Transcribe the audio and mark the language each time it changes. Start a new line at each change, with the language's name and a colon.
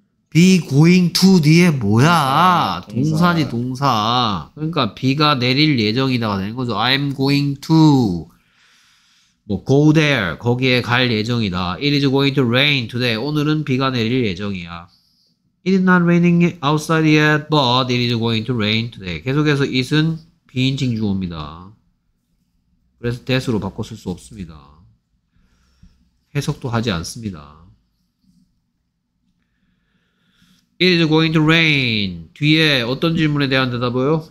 Korean: 비
English: going to
Korean: 뒤에 뭐야? 동사지 동사. 그러니까 비가 내릴 예정이다가 되는 거죠.
English: I'm going to 뭐 go there
Korean: 거기에 갈 예정이다.
English: It is going to rain today.
Korean: 오늘은 비가 내릴 예정이야.
English: It is not raining outside yet, but it is going to rain today.
Korean: 계속해서 it은 비인칭 주어입니다. 그래서 that으로 바꿔 쓸 수 없습니다. 해석도 하지 않습니다.
English: It is going to rain
Korean: 뒤에 어떤 질문에 대한 대답이요?